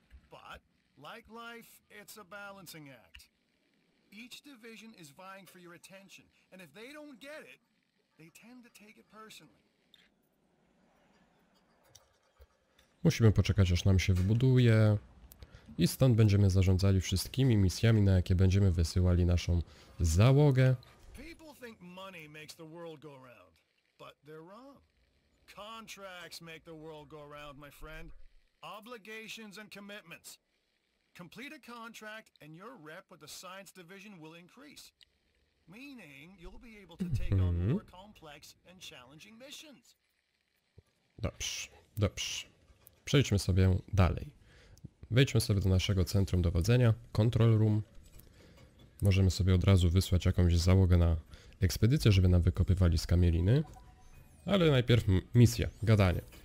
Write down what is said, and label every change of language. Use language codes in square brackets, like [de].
[en] But, like life, it's a balancing act. Each division is vying for your attention, and if they don't get it, they tend to take it personally. [pl] Musimy poczekać, aż nam się wybuduje. I stąd będziemy zarządzali wszystkimi misjami, na jakie będziemy wysyłali naszą załogę. [en] People think money makes the world go round, but they're wrong. Contracts make the world go round, my friend. Obligations and commitments. Complete a contract and your rep with the science division will increase. Meaning you'll be able to take on more complex and challenging missions. [pl] Dobrze. Przejdźmy sobie dalej. Wejdźmy sobie do naszego centrum dowodzenia, [en] control room. [pl] Możemy sobie od razu wysłać jakąś załogę na ekspedycję, żeby nam wykopywali skamieliny. Ale najpierw misja, gadanie.